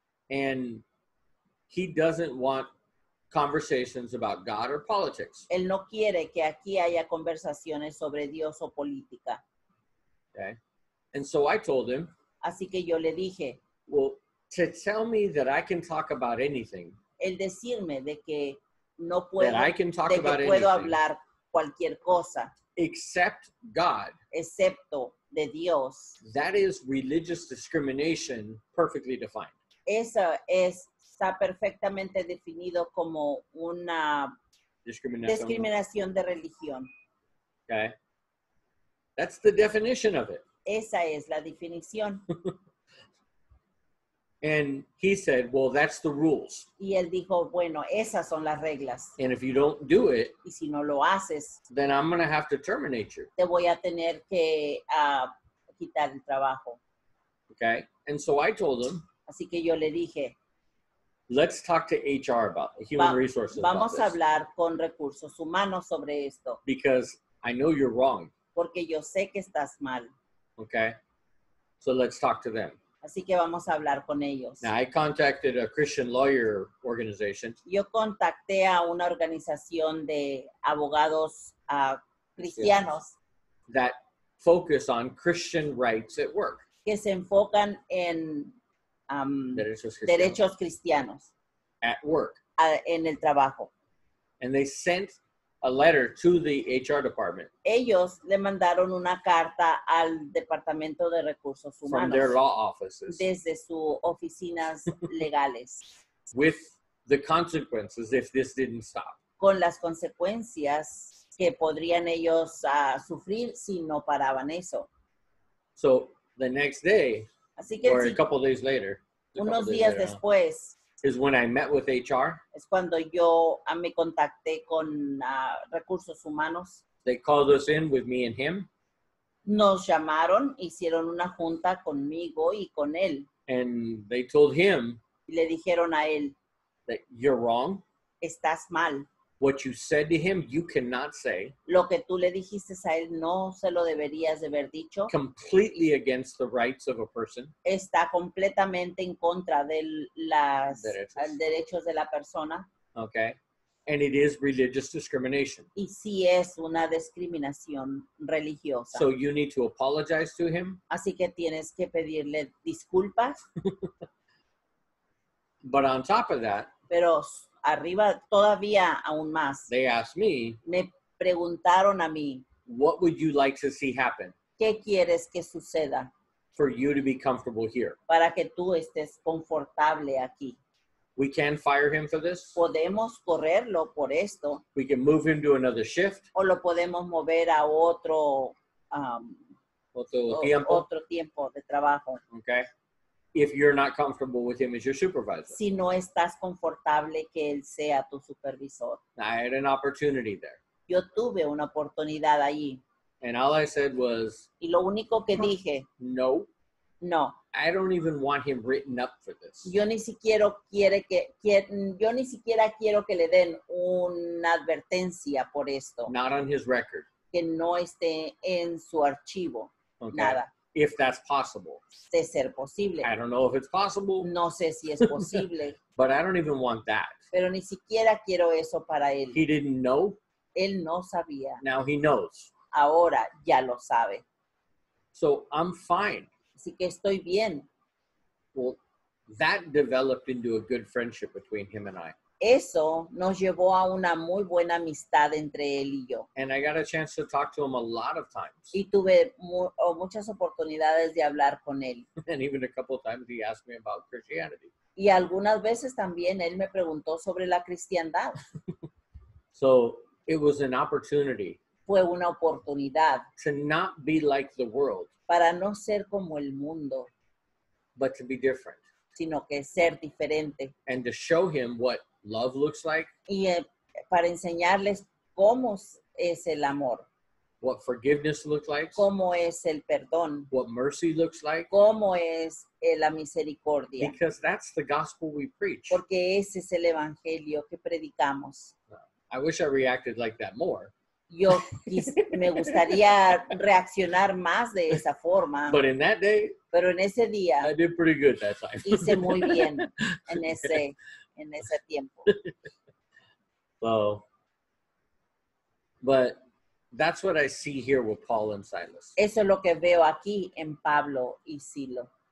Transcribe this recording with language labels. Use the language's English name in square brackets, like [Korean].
[English] And he doesn't want conversations about God or politics. [Spanish] Él no quiere que aquí haya conversaciones sobre Dios o política. [English] Okay. And so I told him. [Spanish] Así que yo le dije. [English] Well, to tell me that I can talk about anything. [Spanish] El decirme de que no puedo. [English] That I can talk about anything. [Spanish] De que puedo hablar cualquier cosa. [English] Except God. [Spanish] Excepto. De Dios. [English] That is religious discrimination perfectly defined. [Spanish] Esa está perfectamente definido como una discriminación de religión. [English] Okay. That's the definition of it. [Spanish] Esa es la definición. [English] And he said, well, that's the rules. [Spanish] Y él dijo, bueno, esas son las reglas. [English] And if you don't do it, [Spanish] y si no lo haces, [English] then I'm going to have to terminate you. [Spanish] Te voy a tener que quitar el trabajo. [English] Okay. And so I told him, [Spanish] así que yo le dije, [English] let's talk to HR about it, human resources. [Spanish] Vamos a hablar con recursos humanos sobre esto. [English] Because I know you're wrong. [Spanish] Porque yo sé que estás mal. [English] Okay. So let's talk to them. [Spanish] Así que vamos a hablar con ellos. [English] Now, I contacted a Christian lawyer organization. [Spanish] Yo contacté a una organización de abogados cristianos. [English] That focus on Christian rights at work. [Spanish] Que se enfocan en derechos cristianos. [English] At work. [Spanish] En el trabajo. [English] And they sent a letter to the HR department. [Spanish] Ellos le mandaron una carta al departamento de recursos humanos. [English] From their law offices. [Spanish] Desde sus oficinas legales. [English] With the consequences if this didn't stop. [Spanish] Con las consecuencias que podrían ellos sufrir si no paraban eso. [English] So the next day, [Spanish] así que [English] or a couple of days later, [Spanish] unos días después. [English] Is when I met with HR. [Spanish] Es cuando yo me contacté con recursos humanos. [English] They called us in with me and him. [Spanish] Nos llamaron, hicieron una junta conmigo y con él. [English] And they told him. [Spanish] Y le dijeron a él. [English] That you're wrong. [Spanish] Estás mal. [English] What you said to him, you cannot say. [Spanish] Lo que tú le dijiste a él, no se lo deberías de haber dicho. [English] Completely against the rights of a person. [Spanish] Está completamente en contra de las derechos de la persona. [English] Okay. And it is religious discrimination. [Spanish] Y sí es una discriminación religiosa. [English] So you need to apologize to him. [Spanish] Así que tienes que pedirle disculpas. [English] But on top of that. [Spanish] Pero arriba, todavía aún más. [English] They asked me. [Spanish] Me preguntaron a mí. [English] What would you like to see happen? [Spanish] ¿Qué quieres que suceda? [English] For you to be comfortable here. [Spanish] Para que tú estés confortable aquí. [English] We can fire him for this. [Spanish] Podemos correrlo por esto. [English] We can move him to another shift. [Spanish] O lo podemos mover a otro, otro tiempo de trabajo. [English] Okay. If you're not comfortable with him as your supervisor. [Spanish] Si no estás confortable que él sea tu supervisor. [English] I had an opportunity there. [Spanish] Yo tuve una oportunidad allí. [English] And all I said was. [Spanish] Y lo único que dije. [English] No. [Spanish] No. [English] I don't even want him written up for this. [Spanish] Yo ni siquiera quiero que le den una advertencia por esto. [English] Not on his record. [Spanish] Que no esté en su archivo. Okay. Nada. [English] If that's possible. [Spanish] De ser posible. [English] I don't know if it's possible. [Spanish] No sé si es posible. [English] But I don't even want that. [Spanish] Pero ni siquiera quiero eso para él. [English] He didn't know. [Spanish] Él no sabía. [English] Now he knows. [Spanish] Ahora ya lo sabe. [English] So I'm fine. [Spanish] Así que estoy bien. [English] Well, that developed into a good friendship between him and I. [Spanish] Eso nos llevó a una muy buena amistad entre él y yo. [English] And I got a chance to talk to him a lot of times. [Spanish] Y tuve muchas oportunidades de hablar con él. [English] And even a couple of times he asked me about Christianity. [Spanish] Y algunas veces también él me preguntó sobre la cristiandad. [English] So it was an opportunity. [Spanish] Fue una oportunidad. [English] To not be like the world. [Spanish] Para no ser como el mundo. [English] But to be different. [Spanish] Sino que ser diferente. [English] And to show him what love looks like. [Spanish] Y para enseñarles cómo es el amor. [English] What forgiveness looks like. [Spanish] Cómo es el perdón. [English] What mercy looks like. [Spanish] Cómo es la misericordia. [English] Because that's the gospel we preach. [Spanish] Porque ese es el evangelio que predicamos. [English] I wish I reacted like that more. [Spanish] Yo me gustaría reaccionar más de esa forma. [English] But in that day. [Spanish] Pero en ese día. [English] I did pretty good that time. [Spanish] Hice muy bien en ese en ese tiempo. [English] So, but that's what I see here with Paul and Silas. [Spanish] Eso es lo que veo aquí en Pablo y Silo.